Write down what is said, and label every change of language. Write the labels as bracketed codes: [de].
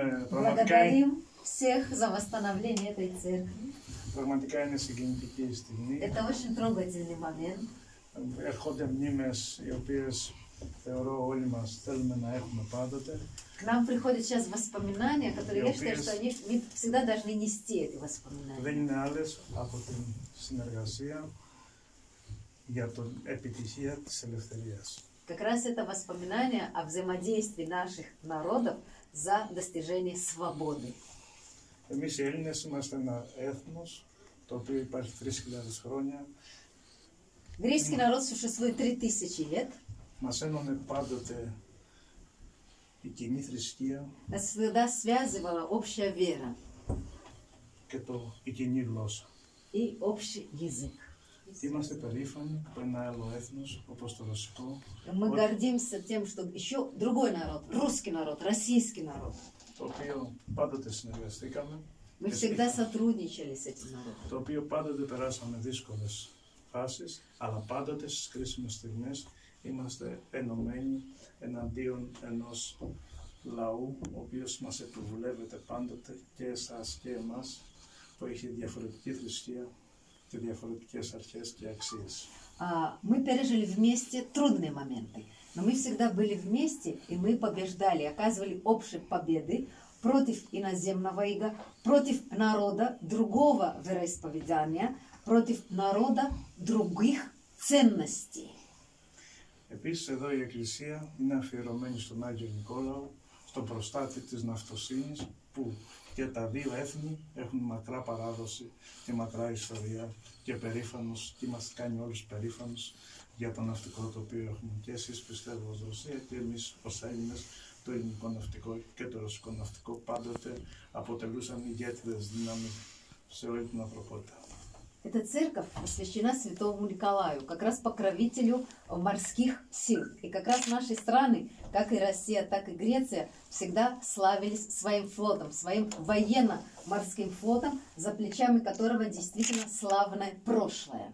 [ru] Благодарим всех за восстановление этой церкви. Это очень трогательный момент. [el] Έρχονται μνήμες οι οποίες θεωρώ όλοι μας θέλουμε να έχουμε πάντοτε. [ru] К нам приходят сейчас воспоминания, которые я считаю, что они всегда должны нести эти воспоминания. [el] Δεν είναι άλλες από την συνεργασία για την επιτυχία της ελευθερίας. [ru] Как раз это воспоминание о взаимодействии наших народов за достижение свободы. [el] Εμείς οι Έλληνες είμαστε ένα έθνος, το οποίο υπάρχει 3.000 χρόνια. [ru] Греческий народ существует 3000 лет. [el] Мы сеноны падоте и кини христия. [ru] Нас всегда связывала общая вера. [el] Кето и кини глоса. [ru] И общий язык. [el] Είμαστε περήφανοι που ένα άλλο έθνος, όπως το ρωσικό. [ru] Мы гордимся тем, что еще другой народ, русский народ, российский народ. [el] Το οποίο πάντοτε συνεργαστήκαμε. [ru] Мы всегда сотрудничали с этим народом. [el] Το οποίο πάντοτε περάσαμε δύσκολες φάσεις, αλλά πάντοτε στις κρίσιμες στιγμές είμαστε ενωμένοι εναντίον ενός λαού, ο οποίος μας επιβουλεύεται πάντοτε και εσάς και εμάς, που έχει διαφορετική θρησκεία και διαφορετικές αρχές και αξίες. [ru] Мы пережили вместе трудные моменты, но мы всегда были вместе и мы побеждали, оказывали общие победы против иноземного ига, против народа другого вероисповедания, против народа других ценностей. [el] Επίσης εδώ η Εκκλησία είναι αφιερωμένη στον Άγιο Νικόλαο, στον προστάτη της ναυτοσύνης, που και τα δύο έθνη έχουν μακρά παράδοση και μακρά ιστορία και περήφανος, και μας κάνει όλους περήφανος για το ναυτικό το οποίο έχουμε. Και εσείς πιστεύω ως Ρωσία και εμείς ως Έλληνες, το ελληνικό ναυτικό και το ρωσικό ναυτικό πάντοτε αποτελούσαν ηγέτιδες δύναμοι σε όλη την ανθρωπότητα. [ru] Эта церковь посвящена святому Николаю, как раз покровителю морских сил. И как раз наши страны, как и Россия, так и Греция, всегда славились своим флотом, своим военно-морским флотом, за плечами которого действительно славное прошлое.